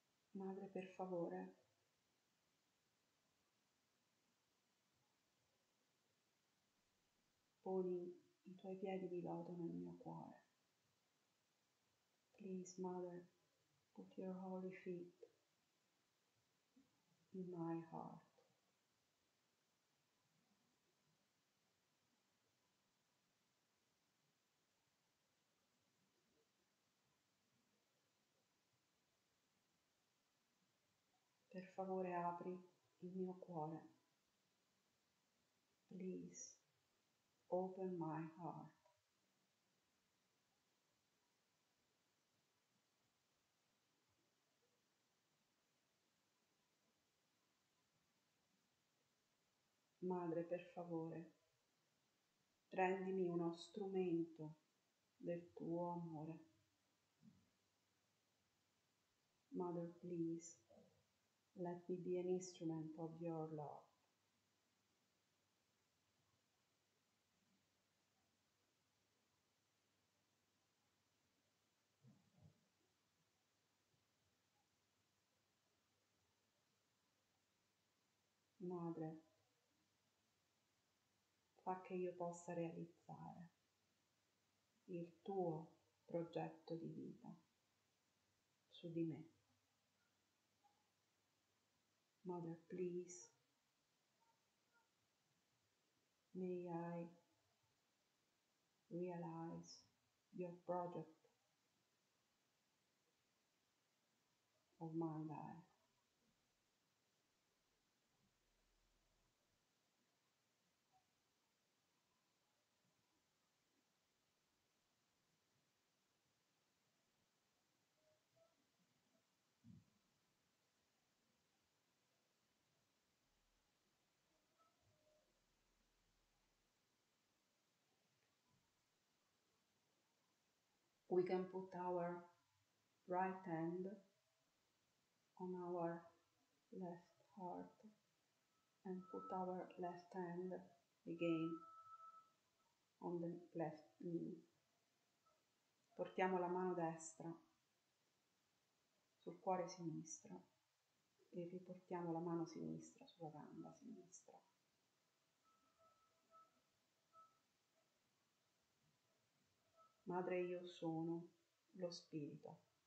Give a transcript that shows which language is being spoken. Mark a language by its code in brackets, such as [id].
[it] Madre, per favore, poni i tuoi piedi di loto nel mio cuore. [en] Please, Mother, put your holy feet in my heart. [it] Per favore apri il mio cuore. [en] Please open my heart. [it] Madre, per favore, rendimi uno strumento del tuo amore. [en] Mother, please. Let me be an instrument of your love. [it] Madre, fa che io possa realizzare il tuo progetto di vita su di me. [en] Mother, please, may I realize your project of my life. We can put our right hand on our left heart and put our left hand again on the left knee. [it] Portiamo la mano destra sul cuore sinistro e riportiamo la mano sinistra sulla gamba sinistra. Madre, io sono lo spirito.